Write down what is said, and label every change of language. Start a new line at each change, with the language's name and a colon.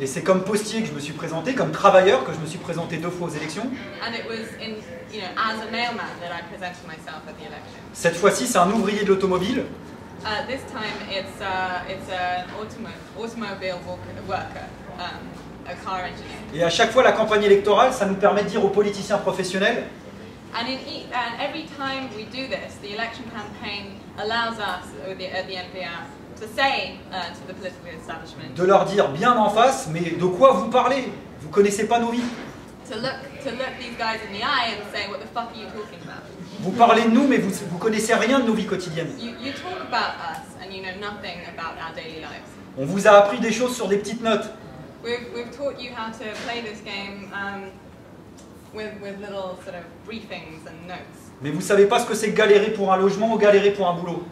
French: Et c'est comme postier que je me suis présenté, comme travailleur que je me suis présenté deux fois aux élections.
English: And it was in, you know, as a mailman that I presented myself at the election.
French: Cette fois-ci, c'est un ouvrier de l'automobile.
English: This time it's an automobile worker. A car engineer.
French: Et à chaque fois la campagne électorale, ça nous permet de dire aux politiciens professionnels.
English: And in and every time we do this, the election campaign allows us the NPR to say to the political establishment.
French: De leur dire bien en face, mais de quoi vous parlez? Vous connaissez pas nos vies.
English: To look these guys in the eye and say, what the fuck are you talking about?
French: Vous parlez de nous, mais vous connaissez rien de nos vies quotidiennes.
English: You talk about us and you know nothing about our daily lives.
French: On vous a appris des choses sur des petites notes.
English: We've taught you how to play this game with little sort of briefings and notes.
French: Mais vous savez pas ce que c'est galérer pour un logement ou galérer pour un boulot.